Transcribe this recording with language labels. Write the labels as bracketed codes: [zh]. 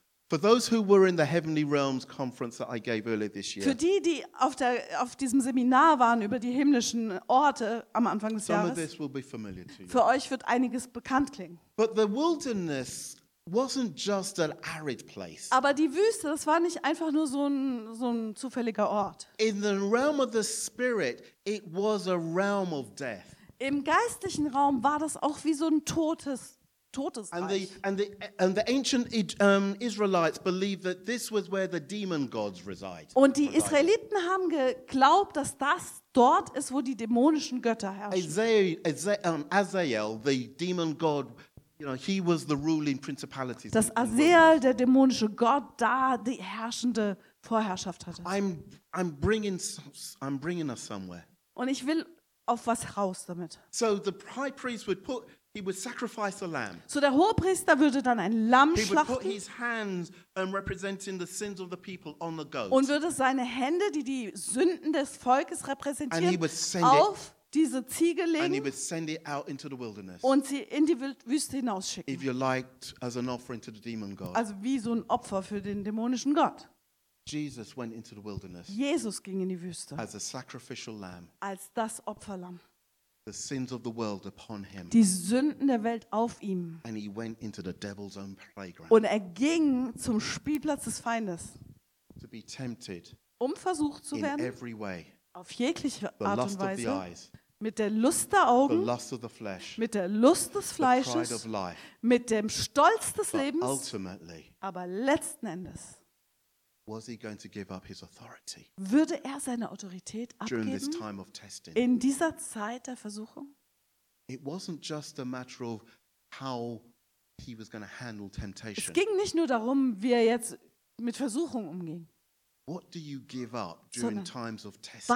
[en] For those who were in the Heavenly Realms conference that I gave earlier this year. [de] Für die, die auf diesem Seminar waren über die himmlischen Orte am Anfang des Jahres. [en] Some of this will be familiar to you. [de] Für euch wird einiges bekannt klingen. [en] But the wilderness wasn't just an arid place. [de] Aber die Wüste, das war nicht einfach nur so ein zufälliger Ort. [en] In the realm of the spirit, it was a realm of death. [de] Im geistlichen Raum war das auch wie so ein totes Todesreich. [en] And the ancient Israelites believed that this was where the demon gods reside. [de] Und die Israeliten haben geglaubt, dass das dort ist, wo die dämonischen Götter herrschen. [en] Azazel, the demon god, you know, he was the ruling principality. [de] Dass Azazel, der dämonische Gott, da die herrschende Vorherrschaft hatte. [en] I'm bringing us somewhere. [de] Und ich will auf was raus damit. [en] So the high priest would put He would sacrifice a lamb. [de] So der Hohepriester würde dann ein Lamm [en] He [de] schlachten. [en] Would put his hands representing the sins of the people on the goat. [de] Und würde seine Hände, die die Sünden des Volkes repräsentieren, [en] And he would send [de] auf [en] it [de] diese Ziege legen [en] and he would send it out into the wilderness. [de] Und sie in die Wüste hinausschicken. [en] If you liked, as an offering to the demon god. [de] Also wie so ein Opfer für den dämonischen Gott. [en] Jesus went into the wilderness. [de] Jesus ging in die Wüste. [en] As a sacrificial lamb. [de] Als das Opferlamm. [en] The sins of the world upon him. [de] Die Sünden der Welt auf ihm. [en] And he went into the devil's own playground. [de] Und er ging zum Spielplatz des Feindes. [en] To be tempted. [de] Um versucht zu werden. [en] In every way. [de] Auf jegliche [en] the [de] Art [en] lust [de] und Weise. [en] Of the eyes, [de] mit der Lust der Augen. [en] The lust of the flesh, [de] mit der Lust des Fleisches. [en] The pride of life, [de] mit dem Stolz des [en] but [de] Lebens. [en] Ultimately, [de] aber letzten Endes. [en] Was he going to give up his authority? [de] Würde er seine Autorität abgeben? [en] During this time of testing? [de] In dieser Zeit der Versuchung? [en] It wasn't just a matter of how he was going to handle temptation. [de] Es ging nicht nur darum, wie er jetzt mit Versuchung umging. [en] What do you give up during times of testing?